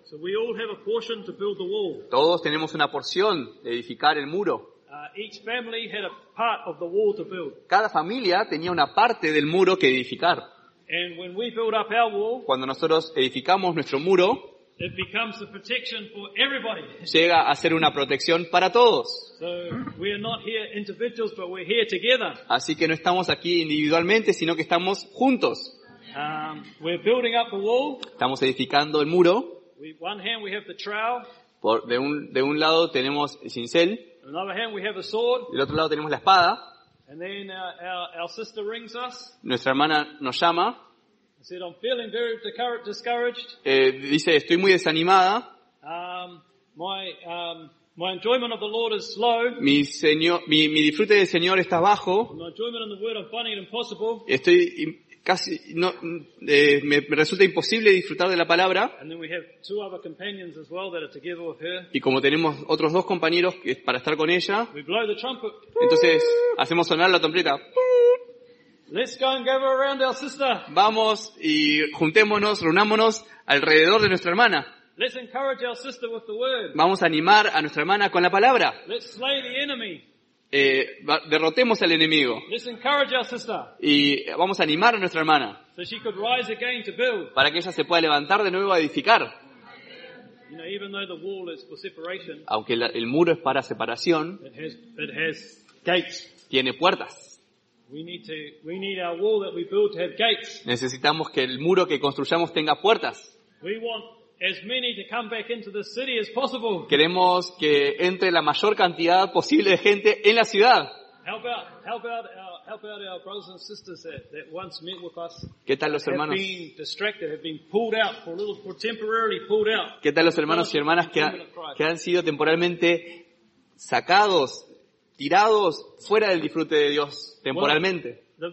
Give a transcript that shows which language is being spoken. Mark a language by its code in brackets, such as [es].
[en] So we all have a portion to build the wall. [es] Todos tenemos una porción de edificar el muro. [en] Each family had a part of the wall to build. [es] Cada familia tenía una parte del muro que edificar. [en] And when we build up our wall, [es] cuando nosotros edificamos nuestro muro, [en] it becomes a protection for everybody. [es] Llega a ser una protección para todos. [en] So we are not here individuals, but we're here together. [es] Así que no estamos aquí individualmente, sino que estamos juntos. [en] We're building up the wall. [es] Estamos edificando el muro. [en] One hand we have the trowel. [es] De un lado tenemos el cincel. [en] Another hand we have the sword. [es] Del otro lado tenemos la espada. [en] And then our sister rings us. [es] Nuestra hermana nos llama. [en] Said, I'm feeling very discouraged. [es] Dice, estoy muy desanimada. [en] My enjoyment of the Lord is low. [es] Mi disfrute del Señor está bajo. [en] My enjoyment in the word, I'm finding it impossible. [es] Estoy casi no me resulta imposible disfrutar de la palabra. [en] And then we have two other companions as well that are together with her. [es] Y como tenemos otros dos compañeros para estar con ella, [en] we blow the trumpet. [es] Entonces hacemos sonar la trompeta. [en] Let's go and gather around our sister. [es] Vamos y juntémonos, reunámonos alrededor de nuestra hermana. [en] Let's encourage our sister with the word. [es] Vamos a animar a nuestra hermana con la palabra. [en] Let's slay the enemy. [es] Derrotemos al enemigo. [en] Let's encourage our sister. [es] Y vamos a animar a nuestra hermana. [en] So she could rise again to build. [es] Para que ella se pueda levantar de nuevo a edificar. [en] You know, even though the wall is for separation, [es] aunque el muro es para separación, [en] it has gates. [es] Tiene puertas. [en] We need our wall that we build to have gates. [es] Necesitamos que el muro que construyamos tenga puertas. [en] We want as many to come back into the city as possible. [es] Queremos que entre la mayor cantidad posible de gente en la ciudad. [en] Help out our brothers and sisters that once met with us. [es] ¿Qué tal los hermanos? [en] Have been distracted, have been pulled out for temporarily pulled out. [es] ¿Qué tal los hermanos y hermanas que han sido temporalmente sacados? Tirados fuera del disfrute de Dios temporalmente.